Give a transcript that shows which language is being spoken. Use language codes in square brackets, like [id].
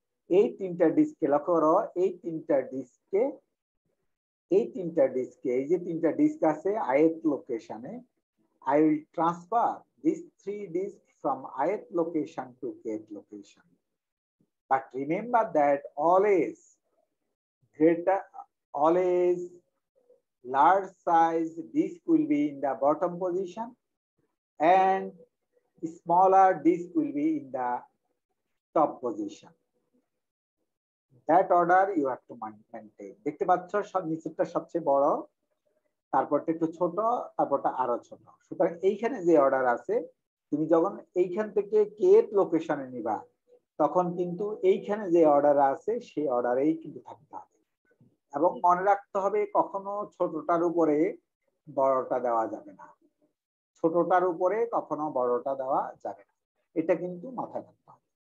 [bn] এই তিনটা ডিস্ককে লক্ষ্য করো, এই তিনটা ডিস্ককে, এই তিনটা ডিস্কে, এই যে তিনটা ডিস্ক আছে আয়েত লোকেশনে, [en] I will transfer this three disk from আয়েত location to কেত location. But remember that always greater always large size disk will be in the bottom position and smaller disk will be in the top position, that order you have to maintain. [bn] দেখতে পাচ্ছ সব নিচেরটা সবচেয়ে বড়, তারপরটা একটু ছোট, তারপরটা আরো ছোট। সুতরাং এইখানে যে অর্ডার আছে, তুমি যখন এইখান থেকে কেট লোকেশনে নিবা তখন কিন্তু এইখানে যে অর্ডার আছে সেই অর্ডারেই কিন্তু থাকতে হবে, এবং মনে রাখতে হবে কখনো ছোটটার উপরে বড়টা দেওয়া যাবে না, ছোটটার উপরে কখনো বড়টা দেওয়া যাবে না, এটা কিন্তু মাথায় রাখতে হবে।